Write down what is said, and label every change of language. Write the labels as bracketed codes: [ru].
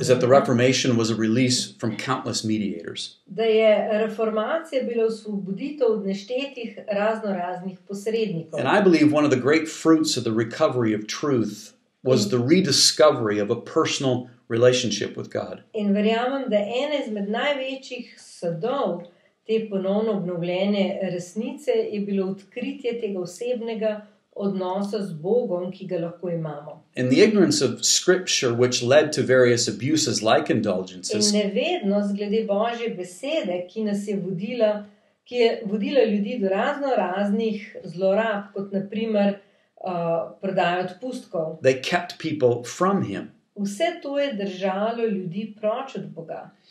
[en] is that the Reformation was a release from countless mediators. [sl] Da je reformacija bila osvoboditev od neštetih razno raznih posrednikov. [en] And I believe one of the great fruits of the recovery of truth was the rediscovery of a personal relationship with God. [sl] In verjamem, da ena izmed največjih sadov te ponovno obnovljene resnice je bilo odkritje tega osebnega odnosa z Bogom, ki ga lahko imamo. [en] And the ignorance of scripture which led to various abuses like indulgences. [sl] In nevednost glede Božje besede, ki nas je vodila, ki je vodila ljudi do razno raznih zlorab, kot na primer prodajo odpustkov. [en] They kept people from him. [sl] Vse to je držalo ljudi proč od Boga.